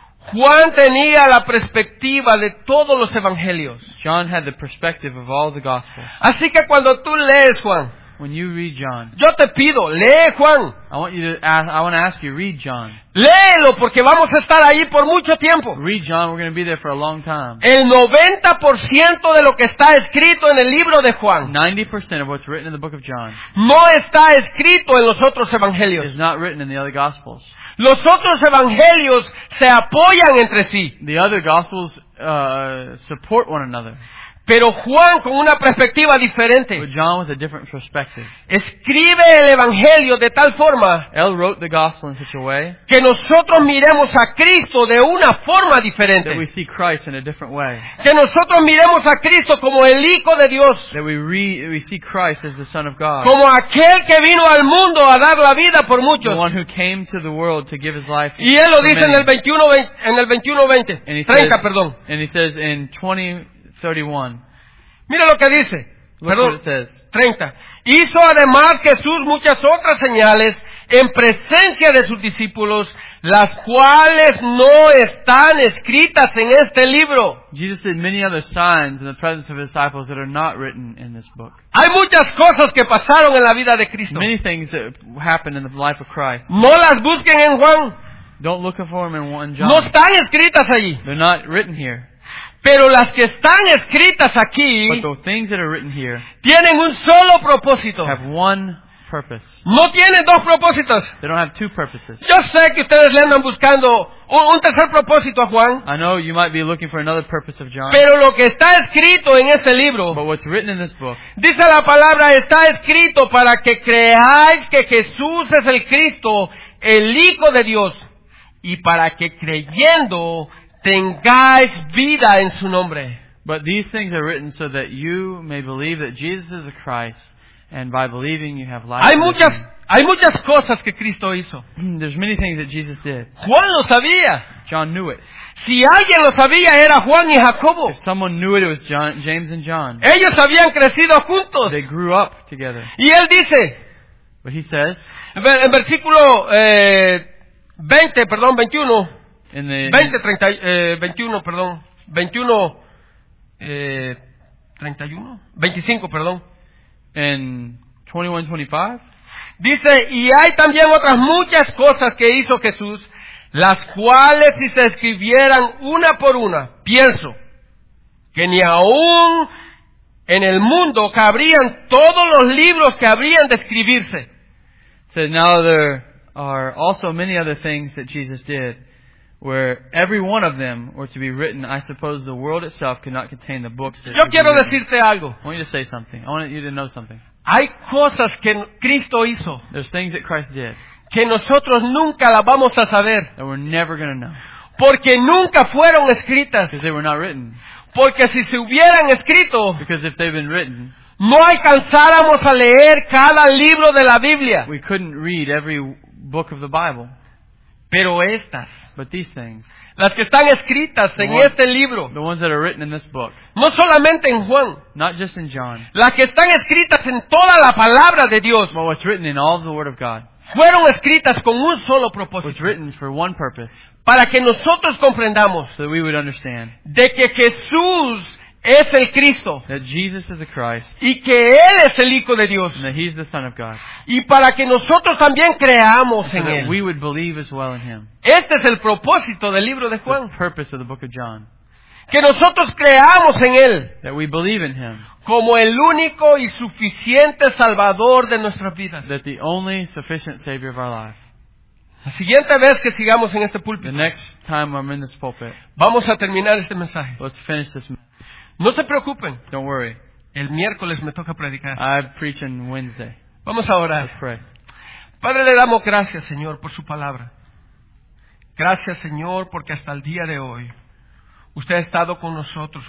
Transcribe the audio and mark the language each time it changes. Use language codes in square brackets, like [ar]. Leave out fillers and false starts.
[es] Juan tenía la perspectiva de todos los evangelios. [en] John had the perspective of all the gospels. [es] Así que cuando tú lees Juan, [en] when you read John, [es] yo te pido, lee Juan. [en] I want to ask you, read John. [es] Léelo porque vamos a estar ahí por mucho tiempo. [en] Read John, we're going to be there for a long time. [es] El 90% de lo que está escrito en el libro de Juan, [en] 90% of what's written in the book of John, [es] no está escrito en los otros evangelios. [en] Is not written in the other gospels. [es] Los otros evangelios se apoyan entre sí. [en] The other gospels support one another. [es] Pero Juan con una perspectiva diferente. [en] But John with a different perspective. [es] Escribe el evangelio de tal forma. [en] Él wrote the gospel in such a way. [es] Que nosotros miremos a Cristo de una forma diferente. [en] That we see Christ in a different way. [es] Que nosotros miremos a Cristo como el Hijo de Dios. [en] That we see Christ as the Son of God. [es] Como aquel que vino al mundo a dar la vida por muchos. [en] The one who came to the world to give his life. [es] Y él lo dice en el 21:20. 30, perdón. [en] And he says in 20 31. [es] Mira lo que dice. [en] Perdón, what it says. [es] 30. Hizo además Jesús muchas otras señales en presencia de sus discípulos, las cuales no están escritas en este libro. [en] Jesus did many other signs in the presence of his disciples that are not written in this book. [es] Hay muchas cosas que pasaron en la vida de Cristo. [en] Many things that happened in the life of Christ. [es] No las busquen en Juan. [en] Don't look for them in one John. [es] No están escritas allí. [en] They're not written here. [es] Pero las que están escritas aquí, [en] but the things that are written here, [es] tienen un solo propósito. [en] Have one purpose. [es] No tienen dos propósitos. [en] They don't have two purposes. [es] Yo sé que ustedes le andan buscando un tercer propósito a Juan. [en] I know you might be looking for another purpose of John. [es] Pero lo que está escrito en este libro, [en] but what's written in this book, [es] dice la palabra, está escrito para que creáis que Jesús es el Cristo, el Hijo de Dios, y para que creyendo tengáis vida en su nombre. [en] But these things are written so that you may believe that Jesus is the Christ, and by believing you have life. [es] Hay muchas cosas que Cristo hizo. [en] There's many things that Jesus did. [es] Juan lo sabía. [en] John knew it. [es] Si alguien lo sabía, era Juan y Jacobo. [en] If someone knew it, it was John, James and John. [es] Ellos habían crecido juntos. [en] They grew up together. [es] Y él dice, [en] but he says, [es] en versículo 20, perdón, 21, [en] in the, [es] 20, 30, 21, perdón, 21, 31, 25, perdón. En 21:25. Dice, y hay también otras muchas cosas que hizo Jesús, las cuales si se escribieran una por una, pienso que ni aún en el mundo cabrían todos los libros que habrían de escribirse. [en] So now there are also many other things that Jesus did. Where every one of them were to be written, I suppose the world itself could not contain the books that [es] yo quiero decirte algo. [en] I want you to say something. I want you to know something. [es] Hay cosas que Cristo hizo. [en] There's things that Christ did. [es] Que nosotros nunca la vamos a saber. [en] That we're never going to know. [es] Porque nunca fueron escritas. [en] Because they were not written. [es] Porque si se hubieran escrito. [en] Because if they've been written. [es] No alcanzáramos a leer cada libro de la Biblia. [en] We couldn't read every book of the Bible. [es] Pero estas, [en] but these things, [es] las que están escritas en one, este libro, [en] the ones that are written in this book, [es] no solamente en Juan, [en] not just in John, [es] las que están escritas en toda la palabra de Dios, [en] but what's written in all the Word of God, [es] fueron escritas con un solo propósito, [en] was written for one purpose, [es] para que nosotros comprendamos, [en] so that we would understand, [es] de que Jesús es el Cristo, [en] that Jesus is the Christ, [es] y que Él es el Hijo de Dios, [en] and that He's the Son of God, [es] y para que nosotros también creamos en Él, [en] we would believe as well in Him. [es] Este es el propósito del libro de Juan, [en] the purpose of the book of John, [es] que nosotros creamos en Él, [en] that we believe in Him, [es] como el único y suficiente Salvador de nuestras vidas, [en] that the only sufficient Savior of our life. [es] La siguiente vez que sigamos en este púlpito, [en] the next time I'm in this pulpit, [es] vamos a terminar este mensaje. [en] Let's finish this. [es] No se preocupen. [en] Don't worry. [es] El miércoles me toca predicar. [en] I preach on Wednesday. [es] Vamos a orar. [en] Let's pray. [es] Padre, le damos gracias, Señor, por su palabra. Gracias, Señor, porque hasta el día de hoy usted ha estado con nosotros.